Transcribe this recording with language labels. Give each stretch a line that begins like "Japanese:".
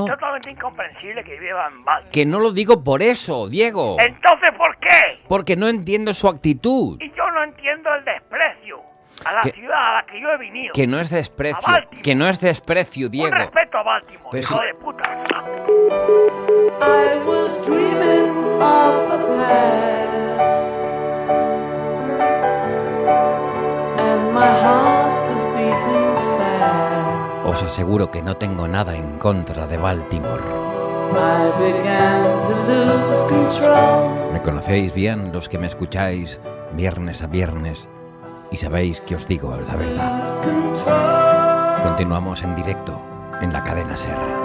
Spanish: Es totalmente incomprensible que viva en Baltimore. Que no lo digo por eso, Diego. ¿Entonces por qué? Porque no entiendo su actitud. Y yo no entiendo el desprecio. A la ciudad a la que yo he venido. Que no es desprecio. Que no es desprecio, Diego. Un respeto a Baltimore, pero hijo de puta.
English: I was dreaming of the past. And my heart was beating fast.
Spanish: Os aseguro que no tengo nada en contra de Baltimore.
English: I began to lose control.
Spanish: Me conocéis bien los que me escucháis viernes a viernes. Y sabéis que os digo la verdad. Continuamos en directo en la cadena SER.